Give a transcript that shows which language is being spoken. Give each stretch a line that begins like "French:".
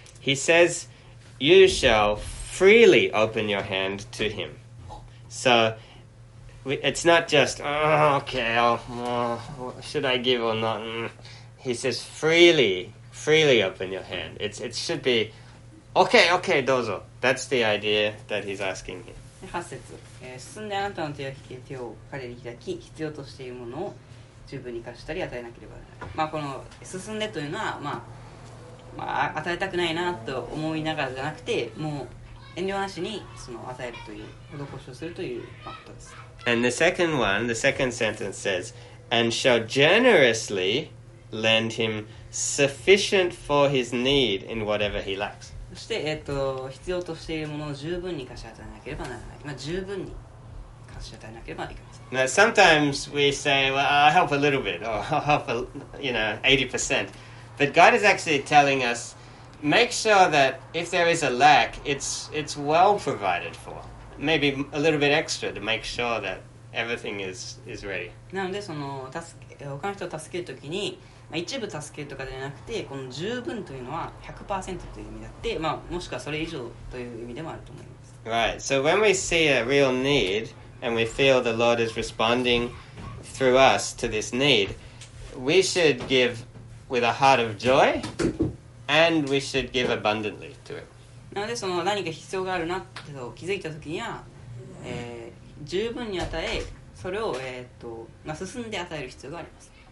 English: He says, you shall freely open your hand to him. So, it's not just, oh, okay, should I give or not? He says, freely, freely open your hand. It should be, okay, okay, dozo. That's the idea that he's asking here.
Japanese: 8節、進んであなたの手を引き手を彼に開き必要としているものを十分に貸したり与えなければならない。まあこの進んでというのはまあ与えたくないなと思いながらじゃなくて、もう遠慮なしにその与えるという施しをするということです。And
English: the second one, the second sentence says, and shall generously lend him sufficient for his need in whatever he lacks.
Japanese: そして、必要としているものを十分に貸し与えなければならない。まあ、十分に貸し与えなければできません。
English: Now, sometimes we say, well, I'll help a little bit, or I'll help, a, you know, 80%. But God is actually telling us, make sure that if there is a lack, it's well provided for. Maybe a little bit extra to make sure that everything is ready.
Japanese: なので、その他の人を助けるときに、まあ、一部助けるとかではなくて、この十分というのは 100% という意味だって、まあ、もしくはそれ以上という意味でもあると思います。
English: Right. So when we see a real need and we feel the Lord is responding through us to this need, we should give with a heart of joy and we should give abundantly to it.
Japanese: なので、その何か必要があるなってと気づいたときには、十分に与え、それを、まあ、進んで与える必要があります。